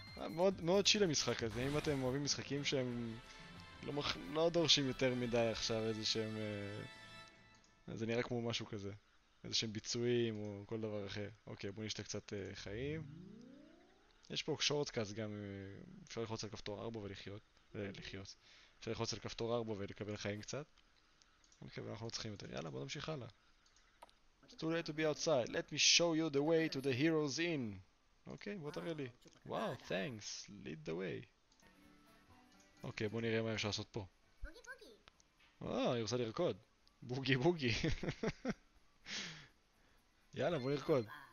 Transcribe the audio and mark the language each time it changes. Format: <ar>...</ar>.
<he>מאוד, מאוד צ'יל המשחק הזה. אם אתם אוהבים משחקים שהם לא דורשים יותר מדי עכשיו איזה שהם... זה נראה כמו משהו כזה. איזה שהם ביצועים או כל דבר אחר. אוקיי, בואו נשתה קצת חיים. יש פה שורטקאסט גם, אפשר לחוץ על כפתור 4 ולחיות. לחיות. אפשר לחוץ על כפתור 4 ולקבל חיים קצת. אני מקווה, אנחנו לא צריכים יותר. יאללה, בואו נמשיך הלאה.</he> <en>It's too late to be outside. Let me show you the way to the heroes in.</en> <he>אוקיי, בואו תראה לי. וואו,</he> <en>thanks. Lead the way.</en> <he>אוקיי, בואו נראה מה אפשר לעשות פה. אני רוצה לרקוד. בוגי בוגי. יאללה, בואו נרקוד.</he>